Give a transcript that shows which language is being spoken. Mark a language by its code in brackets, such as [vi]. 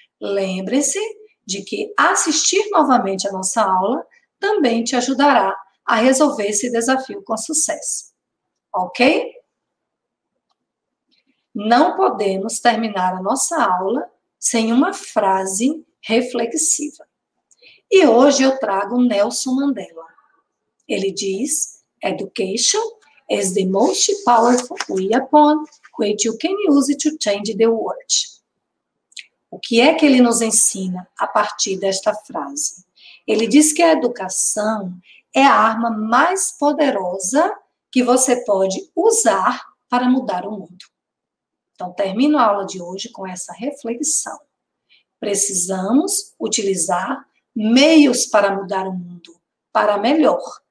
[pt] Lembre-se de que assistir novamente a nossa aula também te ajudará a resolver esse desafio com sucesso. Ok? Não podemos terminar a nossa aula sem uma frase reflexiva. E hoje eu trago Nelson Mandela. Ele diz: [en] Education is the most powerful weapon which you can use to change the world. [pt] O que é que ele nos ensina a partir desta frase? Ele diz que a educação é a arma mais poderosa que você pode usar para mudar o mundo. Então, termino a aula de hoje com essa reflexão. Precisamos utilizar meios para mudar o mundo para melhor.